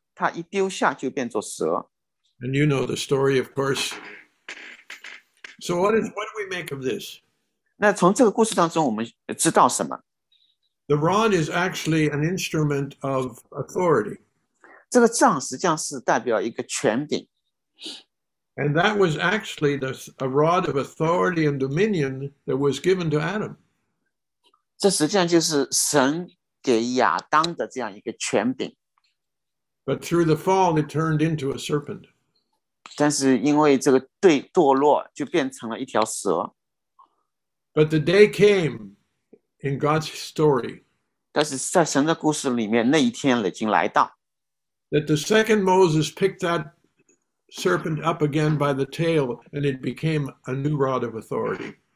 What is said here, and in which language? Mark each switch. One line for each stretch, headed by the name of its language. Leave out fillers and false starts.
Chinese: 耶和华说丢在地上，他一丢下就变作蛇。
English: And you know the story, of course. So what do we make of this?
Chinese: 那从这个故事当中，我们知道什么？
English: The rod is actually an instrument of authority.
Chinese: 这个杖实际上是代表一个权柄。
English: And that was actually a rod of authority and dominion that was given to Adam.
Chinese: 这实际上就是神给亚当的这样一个权柄。
English: But through the fall, it turned into a serpent.
Chinese: 但是因为这个对堕落，就变成了一条蛇。
English: But the day came in God's story.
Chinese: 但是在神的故事里面，那一天已经来到。
English: That the second Moses picked that serpent up again by the tail, and it became a new rod of authority.